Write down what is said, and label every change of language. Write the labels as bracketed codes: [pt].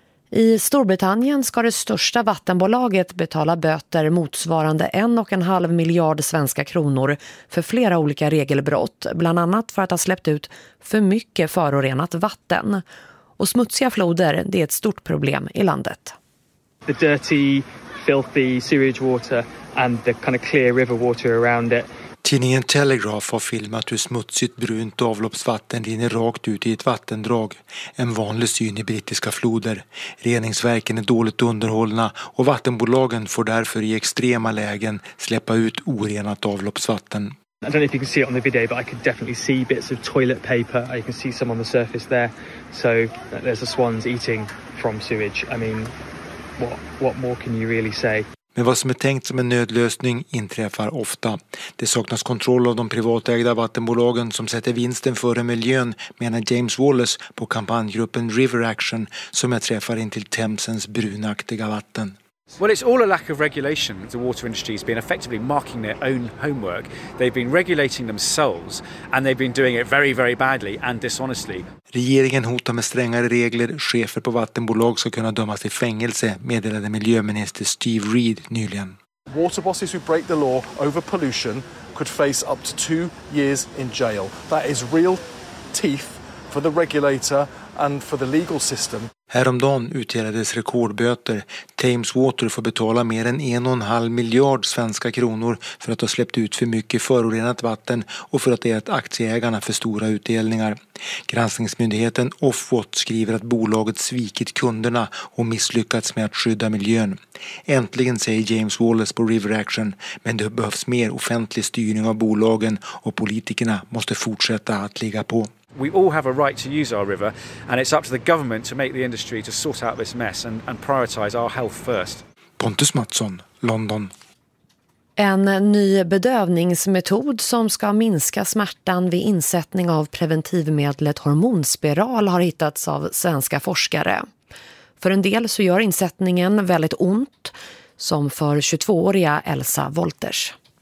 [sv] I Storbritannien ska det största vattenbolaget betala böter motsvarande 1,5 miljarder svenska kronor för flera olika regelbrott, bland annat för att ha släppt ut för mycket förorenat vatten. Och smutsiga floder, det är ett stort problem i landet. [en] The dirty, filthy sewage water and the kind of clear river water around it. [sv] Tidningen Telegraph har filmat hur smutsigt brunt avloppsvatten rinner rakt ut i ett vattendrag. En vanlig syn i brittiska floder. Reningsverken är dåligt underhållna och vattenbolagen får därför i extrema lägen släppa ut orenat avloppsvatten. [en] I don't know if you can see it on the video, but I can definitely see bits of toilet paper. I can see some on the surface there. So there's the swans eating from sewage. I mean, what more can you really say? [sv] Men vad som är tänkt som en nödlösning inträffar ofta. Det saknas kontroll av de privatägda vattenbolagen som sätter vinsten före miljön, menar James Wallace på kampanjgruppen River Action, som jag träffar in till Themsens brunaktiga vatten. [en] Well, it's all a lack of regulation. The water industry has been effectively marking their own homework. They've been regulating themselves and they've been doing it very, very badly and dishonestly. [sv] Regeringen hotar med strängare regler. Chefer på vattenbolag ska kunna dömas till fängelse, meddelade miljöminister Steve Reed nyligen. [en] Water bosses who break the law over pollution could face up to 2 years in jail. That is real teeth for the regulator and for the legal system. [sv] Häromdagen utdelades rekordböter. Thames Water får betala mer än 1,5 miljard svenska kronor för att ha släppt ut för mycket förorenat vatten och för att ha gett aktieägarna för stora utdelningar. Granskningsmyndigheten Ofwat skriver att bolaget svikit kunderna och misslyckats med att skydda miljön. Äntligen, säger James Wallace på River Action, men det behövs mer offentlig styrning av bolagen och politikerna måste fortsätta att ligga på. [en] We all have a right to use our river and it's up to the government to make the industry to sort out this mess and prioritize our health first. [sv] Pontus Mattsson, London. En ny bedövningsmetod som ska minska smärtan vid insättning av preventivmedlet hormonspiral har hittats av svenska forskare. För en del så gör insättningen väldigt ont, som för 22-åriga Elsa Wolters.